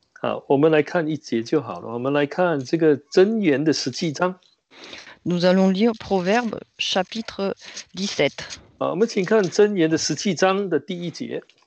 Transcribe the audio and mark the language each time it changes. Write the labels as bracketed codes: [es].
[zh] 好，我们来看一节就好了。我们来看这个箴言的十七章。 [fr] Nous allons lire Proverbes, chapitre 17. [zh] 好，我们请看箴言的十七章的第一节。